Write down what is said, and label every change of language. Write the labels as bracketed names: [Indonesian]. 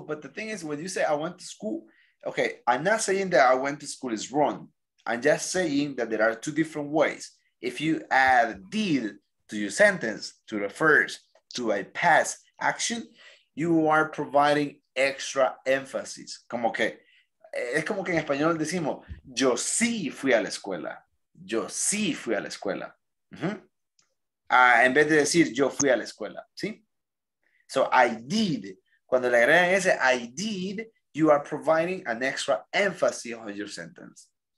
[English] But the thing is, when you say I went to school, okay, I'm not saying that I went to school is wrong. I'm just saying that there are two different ways. If you add did to your sentence to the first to a past action, you are providing extra emphasis. [Spanish] Como que es como que en español decimos, yo sí fui a la escuela. Yo sí fui a la escuela. Uh-huh. En vez de decir, yo fui a la escuela. [English] ¿Sí? So, I did. [Spanish] Cuando le agregan ese, [English] I did, you are providing an extra emphasis on your sentence.